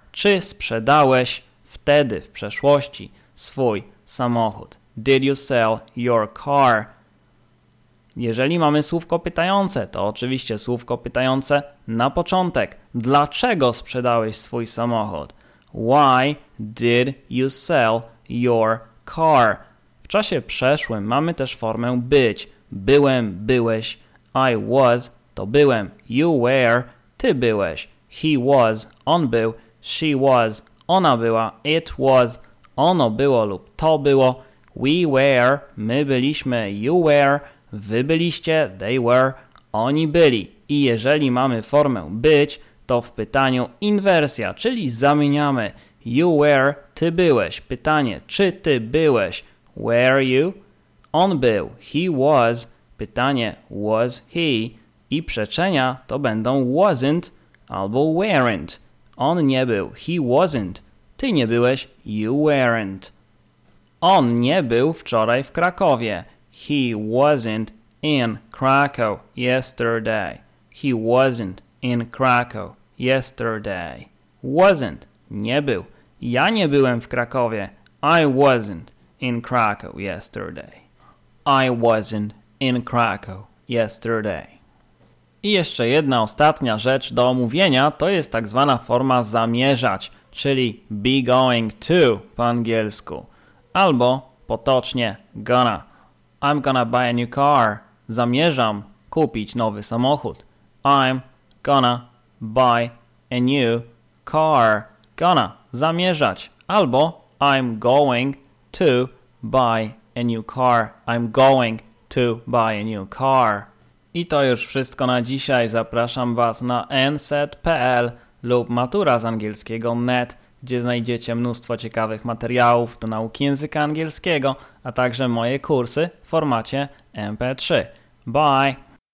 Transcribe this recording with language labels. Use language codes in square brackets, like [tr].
[pl] Czy sprzedałeś wtedy, w przeszłości, swój samochód? [en] Did you sell your car? [pl] Jeżeli mamy słówko pytające, to oczywiście słówko pytające na początek. Dlaczego sprzedałeś swój samochód? [en] Why did you sell your car? [pl] W czasie przeszłym mamy też formę być. Byłem, byłeś. [en] I was, [pl] to byłem. [en] You were, [pl] ty byłeś. [en] He was, [pl] on był. [en] She was, [pl] ona była. [en] It was, [pl] ono było lub to było. [en] We were, [pl] my byliśmy. [en] You were, [pl] wy byliście. [en] They were, [pl] oni byli. I jeżeli mamy formę być, to w pytaniu inwersja, czyli zamieniamy. You were, ty byłeś. Pytanie, czy ty byłeś? [en] Were you? [pl] On był. [en] He was. [pl] Pytanie, [en] was he? [pl] I przeczenia to będą wasn't albo weren't. On nie był. [en] He wasn't. [pl] Ty nie byłeś. [en] You weren't. [pl] On nie był wczoraj w Krakowie. [en] He wasn't in Krakow yesterday. He wasn't in Krakow yesterday. Wasn't. [pl] Nie był. Ja nie byłem w Krakowie. [en] I wasn't in Krakow yesterday. I wasn't in Krakow yesterday. [pl] I jeszcze jedna ostatnia rzecz do omówienia, to jest tak zwana forma zamierzać, czyli be going to po angielsku. Albo potocznie [en] gonna. I'm gonna buy a new car. [pl] Zamierzam kupić nowy samochód. [en] I'm gonna buy a new car. Gonna. Zamierzać. Albo I'm going to buy a new car. I'm going to buy a new car. [pl] I to już wszystko na dzisiaj. Zapraszam Was na nset.pl lub maturazangielskiego.net, gdzie znajdziecie mnóstwo ciekawych materiałów do nauki języka angielskiego, a także moje kursy w formacie MP3. Bye!